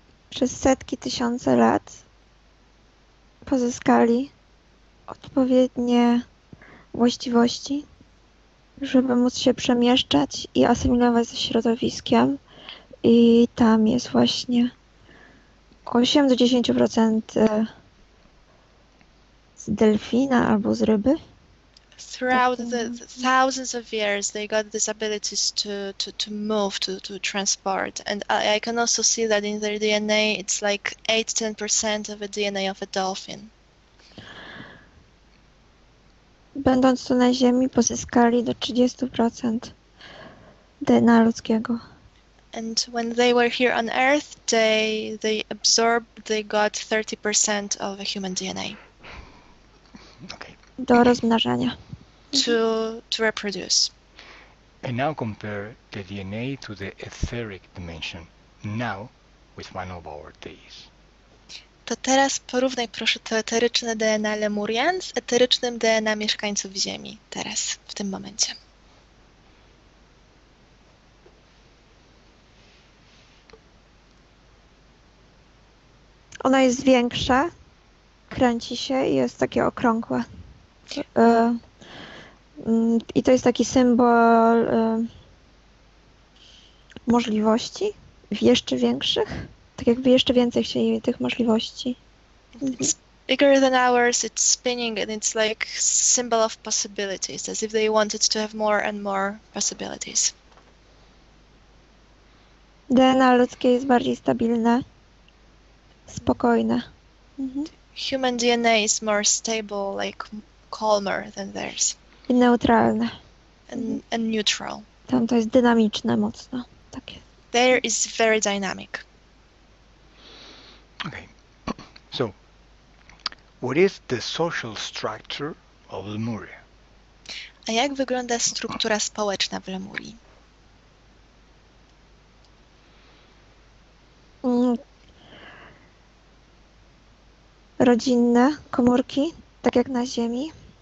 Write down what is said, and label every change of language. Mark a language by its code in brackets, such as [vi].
[pl] Przez setki tysiące lat pozyskali odpowiednie właściwości, żeby móc się przemieszczać i asymilować ze środowiskiem. I tam jest właśnie 8 do 10% z delfina albo z ryby. Tak [en] Throughout the [pl] wygląda. [en] thousands of years, they got these abilities to move, to transport. And I can also see that in their DNA, it's like 8-10% of the DNA of a dolphin. [pl] Będąc tu na Ziemi, pozyskali do 30% DNA ludzkiego. [en] And when they were here on Earth, they absorbed, they got 30% of a human DNA. [pl] Do rozmnażania. [en] To reproduce. And now compare the DNA to the etheric dimension, now with one of our days. [pl] To teraz porównaj proszę to eteryczne DNA Lemurian z eterycznym DNA mieszkańców Ziemi, teraz, w tym momencie. Ona jest większa, kręci się i jest takie okrągłe. I to jest taki symbol możliwości, jeszcze większych, tak jakby jeszcze więcej chcieli tych możliwości. [en] It's bigger than ours, it's spinning, and it's like symbol of possibilities, as if they wanted to have more and more possibilities. [pl] DNA ludzkie jest bardziej stabilne, spokojne. [en] Human DNA is more stable, like calmer than theirs. [pl] I neutralne. [en] And neutral. [pl] Tam to jest dynamiczne mocno. Tak jest. [en] There is very dynamic. So, what is the social structure of Lemuria? [pl] A jak wygląda struktura społeczna w Lemurii? rodzinne komórki, tak jak na Ziemi.